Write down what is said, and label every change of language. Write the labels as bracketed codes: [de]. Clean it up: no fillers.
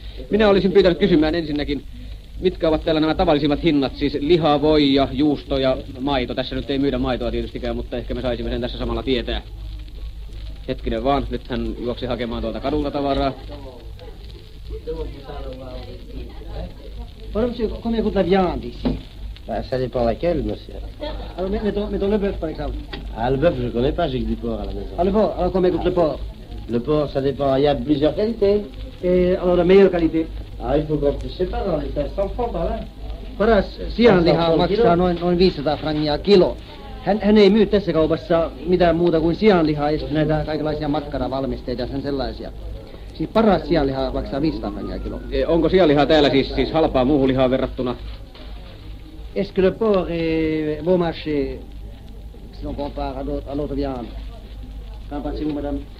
[fi] Minä olisin pyytänyt kysymään ensinnäkin, mitkä ovat täällä nämä tavallisimmat hinnat, siis liha, voi ja juusto ja maito. Tässä nyt ei myydä maitoa tietystikään, mutta ehkä me saisimme sen tässä samalla tietää. Hetkinen vaan, nyt hän juoksi hakemaan tuolta kadulta tavaraa. [fr] Par monsieur, combien coûte la viande ici? Bah, ça dépend laquelle, monsieur. Alors, mettons le bœuf, par exemple. Ah, le bœuf, je connais pas, j'ai que du porc à la maison. Ah, le porc, alors combien coûte le porc? Le porc, ça dépend, il y a plusieurs qualités. Et alors, la meilleure qualité? Ah, il faut qu'on puisse pas dans les 500 francs par là. [fi] Paras, si on liha maksaa noin 500 frangia kilo. Hän ei myy tässä kaupassa mitään muuta kuin sianlihaa ja näitä kaikenlaisia makkaravalmisteita ja sen sellaisia. Siis paras sianliha maksaa 500 frangia kilo. Onko sianliha täällä siis halpaa muuhun lihaan verrattuna? [fr] Est-ce que le porc est bon marché? Si on compare à l'autre viande. Qu'en pensez-vous, madame?